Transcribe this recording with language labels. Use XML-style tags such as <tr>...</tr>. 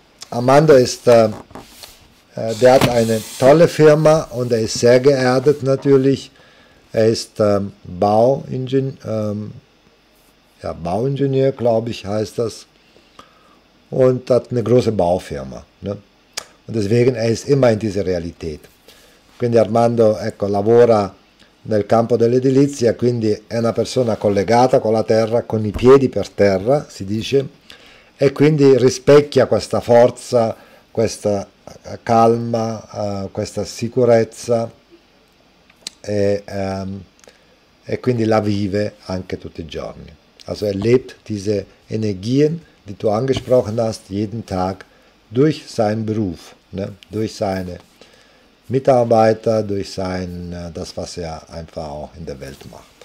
<de>Amanda der hat eine tolle Firma und er ist sehr geerdet natürlich. Er ist Bauingenieur, glaube ich, heißt das. Und hat eine große Baufirma. Ne? Und deswegen, er ist immer in dieser Realität.</de> <it>Quindi Armando, ecco, lavora nel campo dell'edilizia, quindi è una persona collegata con la terra, con i piedi per terra, si dice, e quindi rispecchia questa forza, questa calma, questa sicurezza e quindi la vive anche tutti i giorni.</it> <de>Also er lebt diese Energien, die du angesprochen hast, jeden Tag durch seinen Beruf, ne? Durch seine Mitarbeiter, das, was er einfach auch in der Welt macht.</de>